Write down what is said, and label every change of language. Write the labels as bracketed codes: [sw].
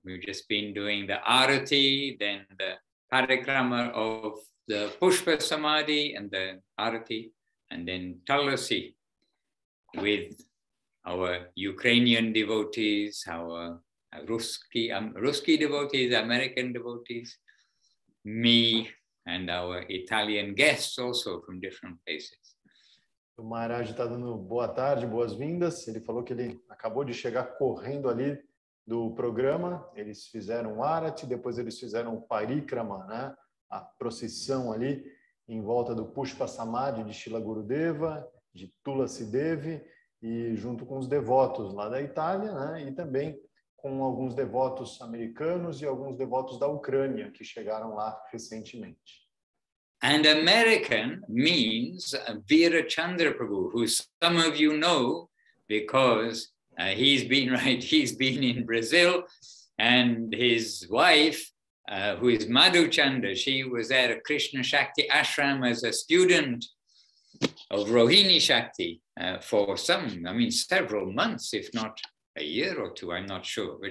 [en] We've just been doing the arati, then the parikrama of the Pushpa Samadhi and the arati, and then Talasi with our Ukrainian devotees, our Ruski devotees, American devotees, me, and our Italian guests also from different places. [pt] O Maharaj está dando boa tarde, boas-vindas. Ele falou que ele acabou de chegar correndo ali do programa. Eles fizeram arati, depois eles fizeram parikrama, né? A procissão ali em volta do Pushpa Samadhi de Srila Gurudeva, de Tulasi Devi, e junto com os devotos lá da Itália, né? E também com alguns devotos americanos e alguns devotos da Ucrânia que chegaram lá recentemente. [en] And American means Veera Chandra Prabhu, who some of you know because he's been in Brazil, and his wife, who is Madhu Chandra, she was at a Krishna Shakti ashram as a student of Rohini Shakti for several months, if not a year or two, I'm not sure.